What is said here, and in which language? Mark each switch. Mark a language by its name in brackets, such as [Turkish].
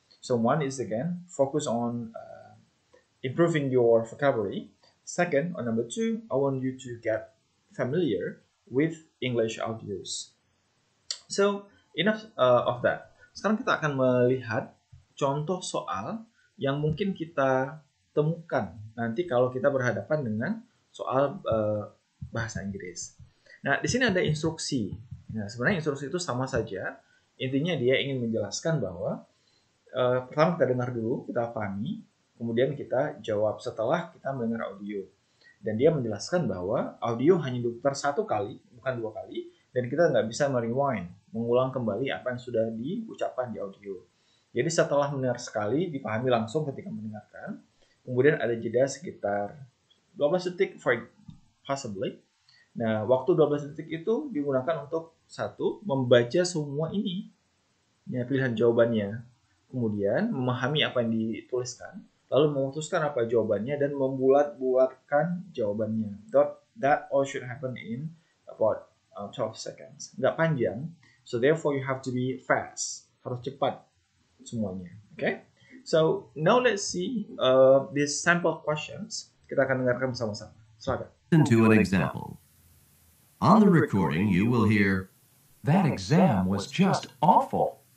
[English] So one is again focus on improving your vocabulary. Second, or number two, I want you to get familiar with English audios. So enough of that. [Indonesian] Sekarang kita akan melihat contoh soal yang mungkin kita temukan nanti kalau kita berhadapan dengan soal bahasa Inggris. Nah, di sini ada instruksi. Nah, sebenarnya instruksi itu sama saja. Intinya dia ingin menjelaskan bahwa pertama kita dengar dulu, kita pahami, kemudian kita jawab setelah kita mendengar audio. Dan dia menjelaskan bahwa audio hanya diputar satu kali, bukan dua kali, dan kita nggak bisa merewind, mengulang kembali apa yang sudah diucapkan di audio. Jadi setelah mendengar sekali, dipahami langsung ketika mendengarkan, kemudian ada jeda sekitar 12 detik, [English] for possibly. [Indonesian] Nah, waktu 12 detik itu digunakan untuk satu, membaca semua ini, ya, pilihan jawabannya. Kemudian memahami apa yang dituliskan, lalu memutuskan apa jawabannya dan membulat-bulatkan jawabannya. [English] That all should happen in about 12 seconds. [Indonesian] Nggak panjang, [English] so therefore you have to be fast. [Indonesian] Harus cepat semuanya. [English] Okay? So, now let's see these sample questions. [Indonesian] Kita akan dengarkan bersama-sama. [English] Listen to an example. On the recording, you will hear, "That exam was just awful."